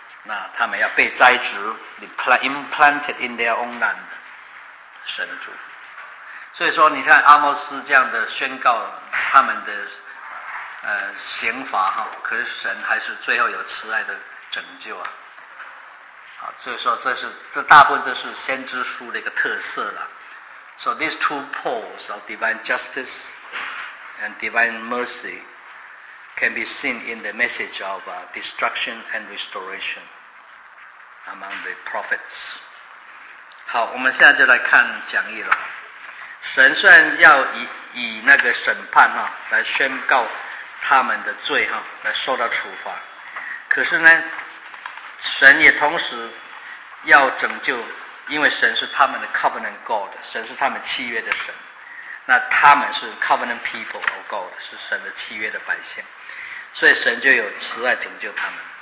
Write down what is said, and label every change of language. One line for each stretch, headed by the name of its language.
Chinese: 那他们要被栽植 ，
English: implanted in their own land，
Chinese: 神的祝福。所以说，你看阿摩斯这样的宣告他们的。刑罚哈，可是神还是最后有慈爱的拯救啊！好，所以说这大部分都是先知书的一个特色了。
English: So these two poles of divine justice and divine mercy can be seen in the message of destruction and restoration among the prophets。
Chinese: 好，我们现在就来看讲义了。神虽然要以那个审判哈来宣告。他们的罪哈来受到处罚，可是呢，神也同时要拯救，因为神是他们的 covenant God， 神是他们契约的神，那他们是
English: covenant people of God，
Chinese: 是神的契约的百姓，所以神就有慈爱拯救他们。